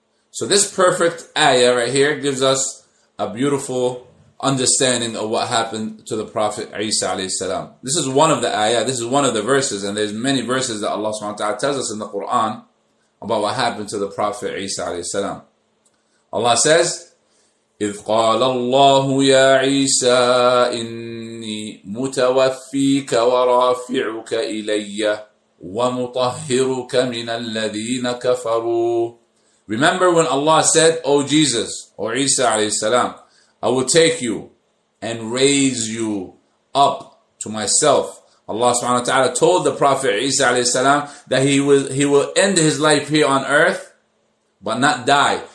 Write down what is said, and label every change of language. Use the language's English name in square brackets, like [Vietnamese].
[English] So this perfect ayah right here gives us a beautiful understanding of what happened to the Prophet Isa alayhi salam. This is one of the ayah, this is one of the verses, and there's many verses that Allah subhanahu wa ta'ala tells us in the Quran about what happened to the Prophet Isa alayhi salam. Allah says, [Arabic] إذ قال الله يا عيسى إني متوفيك ورافعك إلي ومطهرك من الذين كفروا. [English] Remember when Allah said, O Jesus, O Isa alayhi salam, I will take you and raise you up to myself. Allah subhanahu wa ta'ala told the Prophet Isa alayhi salam that he will end his life here on earth, but not die.